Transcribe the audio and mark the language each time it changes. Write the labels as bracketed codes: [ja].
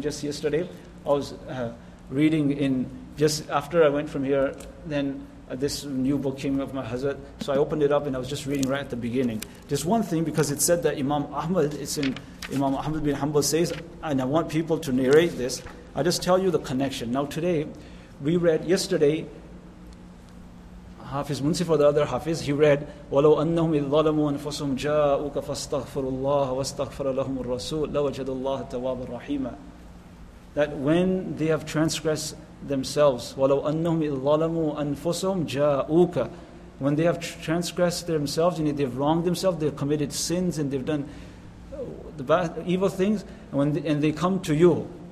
[en] Just yesterday, I was reading in, just after I went from here, then this new book came of my Hazrat. So I opened it up and I was just reading right at the beginning. Just one thing, because it said that Imam Ahmad, it's in Imam Ahmad bin Hanbal says, and I want people to narrate this, I just tell you the connection. Now today, we read yesterday, Hafiz Munsif or the other Hafiz, he read, [ar] وَلَوْ أَنَّهُمْ إِذْ ظَلَمُوا أَنفُسُهُمْ جَاءُوكَ فَاسْتَغْفَرُوا اللَّهَ وَاسْتَغْفَرَ لَهُمُ الرَّسُولُ لَوَجَدُ اللَّهَ تَوَّابًا رَحِيمًا. [en] That when they have transgressed themselves, [ar] وَلَوْ أَنَّهُمْ إِذْ ظَلَمُوا أَنفُسُهُمْ جَاءُوكَ, [en] when they have transgressed themselves, you know, they've wronged themselves, they've committed sins and they've done the bad, evil things, and they come to you